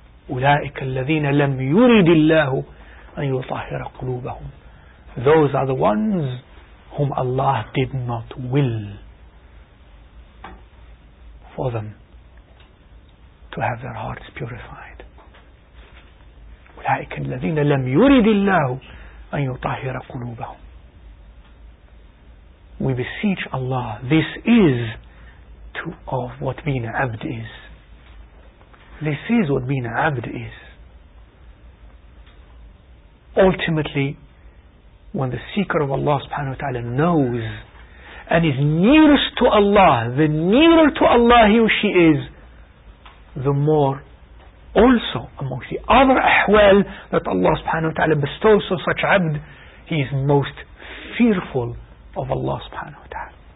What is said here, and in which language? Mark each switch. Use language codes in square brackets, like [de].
[ar] أُولَٰئِكَ الَّذِينَ لَمْ يُرِدِ اللَّهُ أَنْ يُطَهِرَ قُلُوبَهُمْ. [en] Those are the ones whom Allah did not will for them to have their hearts purified. [ar] أولئك الذين لم يرد الله أن يطهر قلوبهم. [en] We beseech Allah, this is of what being an abd is. This is what being an abd is. ultimately, when the seeker of Allah subhanahu wa ta'ala knows and is nearest to Allah, the nearer to Allah he or she is, the more also amongst the other ahwal that Allah subhanahu wa ta'ala bestows on such abd, he is most fearful of Allah subhanahu wa ta'ala.